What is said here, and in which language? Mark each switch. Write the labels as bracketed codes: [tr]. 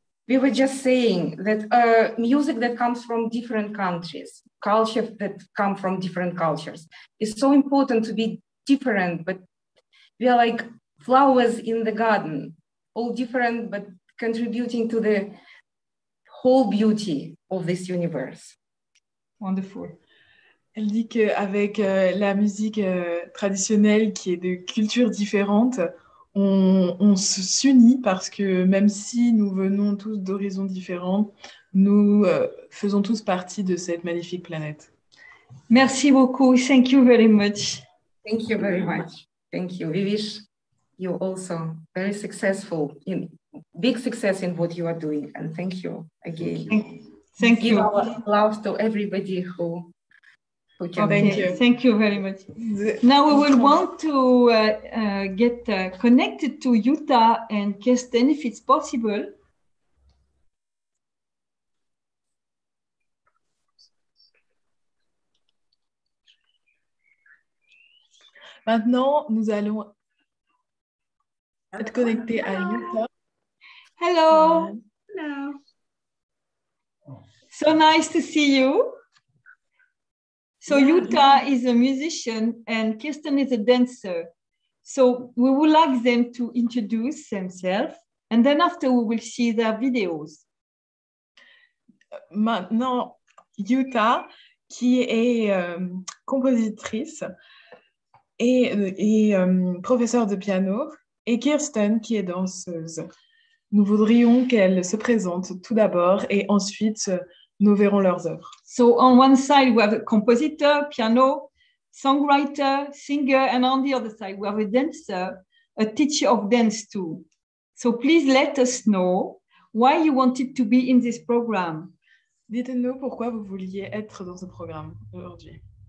[en] We were just saying that music that comes from different countries, culture that comes from different cultures, is so important to be different, but we are like flowers in the garden, all different, but contributing to the whole beauty of this universe. Wonderful. [fr] Elle dit qu'avec la musique traditionnelle qui est de cultures différentes, on s'unit parce que même si nous venons tous d'horizons différents, nous faisons tous partie de cette magnifique planète. Merci beaucoup. [en] Thank you very much. Thank you very much. Thank you. We wish you also very successful, in big success in what you are doing. And thank you again. Thank you. Give our love to everybody who... Thank you very much. Now we will want to get connected to Yuta and Kirsten, if it's possible. [fr] Maintenant, nous allons être connectés à Yuta. [en] Hello. Hello. So nice to see you. So Yuta is a musician and Kirsten is a dancer. So we would like them to introduce themselves and then after we will see their videos. [fr] Maintenant, Yuta, qui est compositrice et professeure de piano, et Kirsten, qui est danseuse. Nous voudrions qu'elle se présente tout d'abord et ensuite nous verrons leurs œuvres. [en] So on one side we have a compositor, piano, songwriter, singer, and on the other side we have a dancer, a teacher of dance too. So please let us know why you wanted to be in this program. [fr] Dites-nous pourquoi vous vouliez être dans ce programme aujourd'hui.